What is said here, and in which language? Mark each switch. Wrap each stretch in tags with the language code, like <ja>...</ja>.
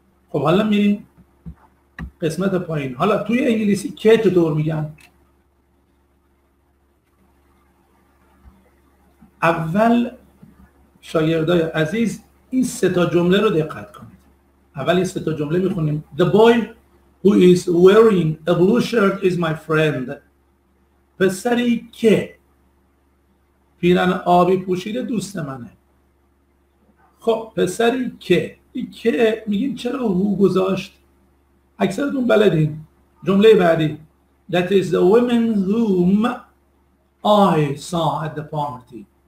<fa>خب حالا میریم قسمت پایین. حالا توی انگلیسی که چطور میگن؟ اول شاگردای عزیز این سه تا جمله رو دقت کنید. اول این سه تا جمله میخونیم.</fa> <en>The boy who is wearing a blue shirt is my friend.</en> <fa>پسری که پیرن آبی پوشیده دوست منه. خب پسری که، این که میگین چرا هو گذاشت؟ اکثرتون بلدین. جمله بعدی</fa> <en>That is the woman whom I saw at the party.</en>